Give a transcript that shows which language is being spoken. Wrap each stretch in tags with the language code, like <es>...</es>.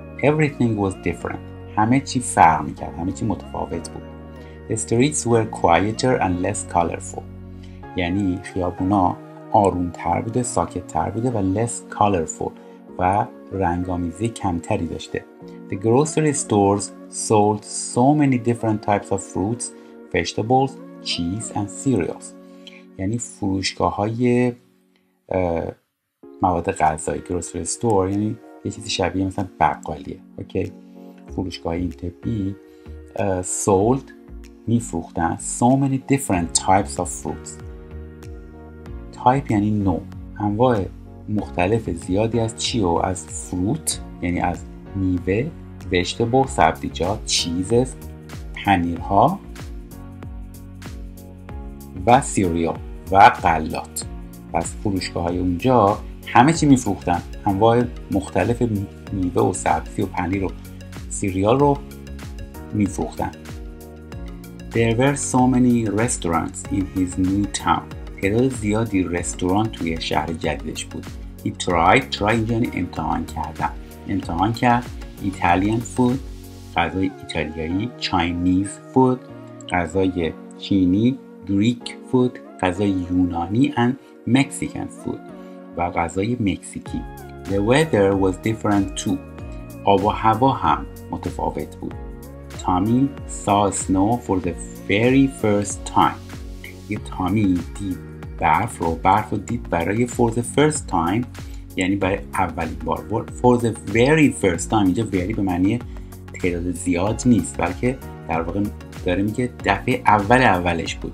<en>Everything was different.</en> <fa>همه چی فرق میکرد. همه چی متفاوت بود.</fa> <en>The streets were quieter and less colorful.</en> <fa>یعنی خیابونا آروم‌تر بوده، ساکت‌تر بوده و</fa> <en>less colorful</en> <fa>و رنگ‌آمیزی کمتری داشته.</fa> <en>The grocery stores sold so many different types of fruits, vegetables, cheese and cereals.</en> <fa>یعنی فروشگاه‌های مواد غذایی،</fa> <en>grocery store،</en> <fa>یعنی یه چیزی شبیه مثلا بقالیه، اوکی؟ فروشگاه این تپی sold، می‌فروختن</fa> <en>so many different types of fruits.</en> <fa>تایپ یعنی نوع، انواع مختلف زیادی از چی؟ و از فروت، یعنی از میوه، وجتبل، سبزیجات، چیزز، پنیرها و سیریال و غلات. پس فروشگاه های اونجا همه چی میفروختن، انواع مختلف میوه و سبزی و پنیر و سیریال رو میفروختن.</fa> <en>There were so many restaurants in his new town.</en> <fa>تعداد زیادی رستوران توی شهر جدیدش بود.</fa> <en>He tried، tried</en> <fa>یعنی امتحان کردن. امتحان کرد</fa> <en>Italian food،</en> <fa>غذای ایتالیایی،</fa> <en>Chinese food،</en> <fa>غذای چینی،</fa> <en>Greek food،</en> <fa>غذای یونانی</fa> <en>and Mexican food</en> <fa>و غذای مکزیکی.</fa> <en>The weather was different too.</en> <fa>آب و هوا هم متفاوت بود.</fa> <en>Tommy saw snow for the very first time.</en> <fa>یه تامی دید برف رو، برف رو دید برای</fa> <en>for the first time،</en> <fa>یعنی برای اولین بار.</fa> <en>For the very first time</en> <fa>اینجا very به معنی تعداد زیاد نیست، بلکه در واقع داره میگه دفعه اول اولش بود.</fa>